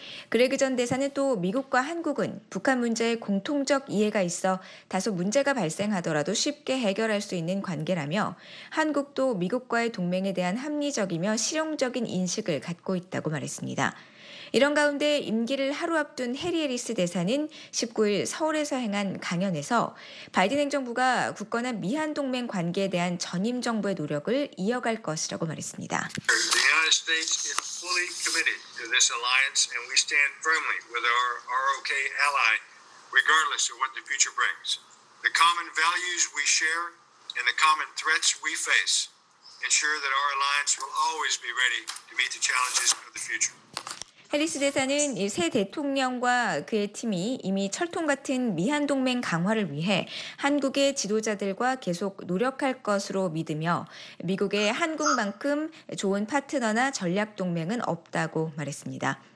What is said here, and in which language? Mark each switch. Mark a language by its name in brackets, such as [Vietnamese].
[Korean] 그레그 전 대사는 또 미국과 한국은 북한 문제에 공통적 이해가 있어 다소 문제가 발생하더라도 쉽게 해결할 수 있는 관계라며 한국도 미국과의 동맹에 대한 합리적이며 실용적인 인식을 갖고 있다고 말했습니다. 이런 가운데 임기를 하루 앞둔 해리 해리스 대사는 19일 서울에서 행한 강연에서 바이든 행정부가 굳건한 미한 동맹 관계에 대한 전임 정부의 노력을 이어갈 것이라고 말했습니다. [English] The United States is fully committed to this alliance and we stand firmly with our ROK ally regardless of what the future brings. The common values we share and the common threats we face ensure that our alliance will always be ready to meet the challenges of the future. [Korean] 해리스 대사는 새 대통령과 그의 팀이 이미 철통 같은 미한 동맹 강화를 위해 한국의 지도자들과 계속 노력할 것으로 믿으며 미국의 한국만큼 좋은 파트너나 전략 동맹은 없다고 말했습니다.